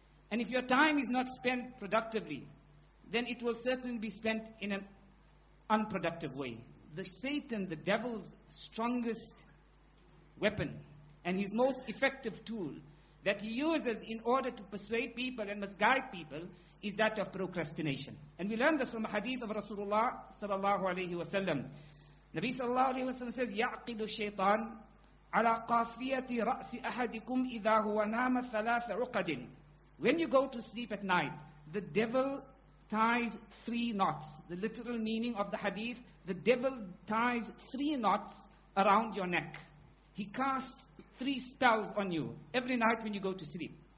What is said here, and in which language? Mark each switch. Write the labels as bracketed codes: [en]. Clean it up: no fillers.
[en] And if your time is not spent productively, then it will certainly be spent in an unproductive way. The Satan, the devil's strongest weapon and his most effective tool that he uses in order to persuade people and misguide people is that of procrastination. And we learn this from a hadith of Rasulullah sallallahu alayhi wa sallam. [ar] Nabi sallallahu alayhi wa sallam says, يَعْقِلُ الشَّيْطَانُ عَلَىٰ قَافِيَةِ رَأْسِ أَحَدِكُمْ إِذَا هُوَ نَامَ ثَلَاثَ عُقَدٍ. [en] When you go to sleep at night, the devil ties three knots. The literal meaning of the hadith, the devil ties three knots around your neck. He casts three spells on you every night when you go to sleep.